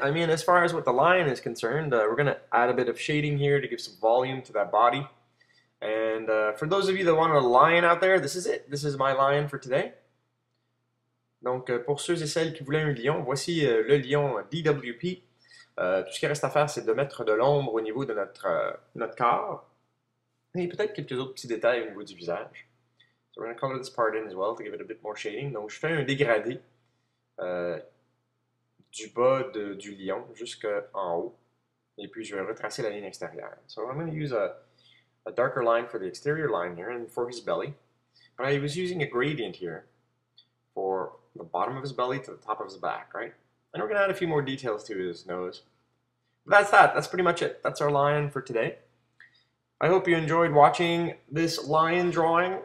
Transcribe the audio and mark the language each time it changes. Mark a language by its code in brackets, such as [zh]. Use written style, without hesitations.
[en] I mean, as far as what the lion is concerned, we're going to add a bit of shading here to give some volume to that body. And for those of you that want a lion out there, this is it. This is my lion for today. [fr] Donc, pour ceux et celles qui voulaient un lion, voici le lion DWP. Tout ce qu'il reste à faire, c'est de mettre de l'ombre au niveau de notre corps. Et peut-être quelques autres petits détails au niveau du visage. [en] So we're going to color this part in as well to give it a bit more shading. [fr] Donc, je fais un dégradé du bas du lion jusqu'en haut. Et puis, je vais retracer la ligne extérieure. [en] So I'm going to use a darker line for the exterior line here and for his belly. But I was using a gradient here for the bottom of his belly to the top of his back, right? And we're going to add a few more details to his nose. But that's that. That's pretty much it. That's our lion for today. I hope you enjoyed watching this lion drawing.